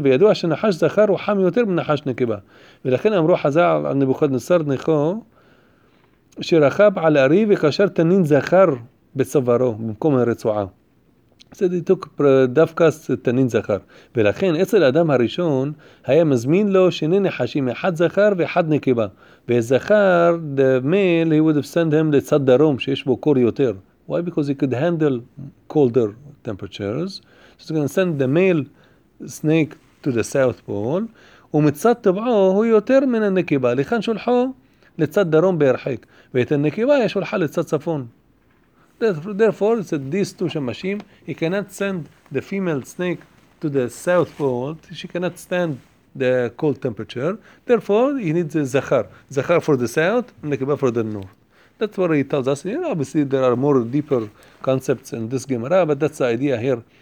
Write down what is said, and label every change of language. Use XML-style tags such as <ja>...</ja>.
<he>וידוע שנחש זכר הוא חם יותר מנחש נקבה. ולכן אמרו חז"ל על נבוכדנצר נכו שרכב על ארי וקשר תנין זכר בצווארו במקום הרצועה.</he> <en>said he took</en> <he>דווקא תנין זכר. ולכן אצל האדם הראשון היה מזמין לו שני נחשים, אחד זכר ואחד נקבה. וזכר,</he> <en>the male, he would have sent him</en> <he>לצד דרום שיש בו קור יותר.</he> <en>Why? Because he could handle colder temperatures. So he's going to send the male snake to the south pole.</en> <he>ומצד טבעו הוא יותר מן הנקבה. לכן שולחו לצד דרום בהרחק. ואת הנקבה היא שולחה לצד צפון.</he> <en>Therefore, it's these two shamashim. He cannot send the female snake to the south pole. She cannot stand the cold temperature. Therefore, he needs a zakhar. Zakhar for the south, nekibah for the north. That's what he tells us. You know, obviously, there are more deeper concepts in this Gemara, but that's the idea here.</en>